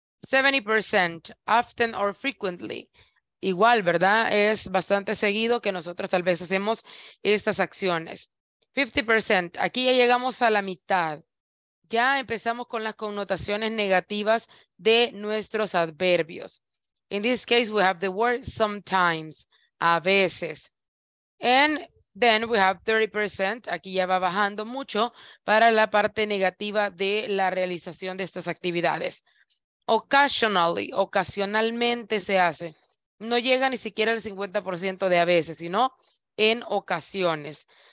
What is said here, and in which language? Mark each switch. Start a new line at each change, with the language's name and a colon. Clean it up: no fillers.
Spanish: 70%,
English: often or frequently,
Spanish: igual, ¿verdad?, es bastante seguido que nosotros tal vez hacemos estas acciones. 50%. Aquí ya llegamos a la mitad. Ya empezamos con las connotaciones negativas de nuestros adverbios.
English: In this case, we have the word sometimes,
Spanish: a veces.
English: And then we have 30%.
Spanish: Aquí ya va bajando mucho para la parte negativa de la realización de estas actividades. Occasionally, ocasionalmente se hace. No llega ni siquiera al 50% de a veces, sino en ocasiones.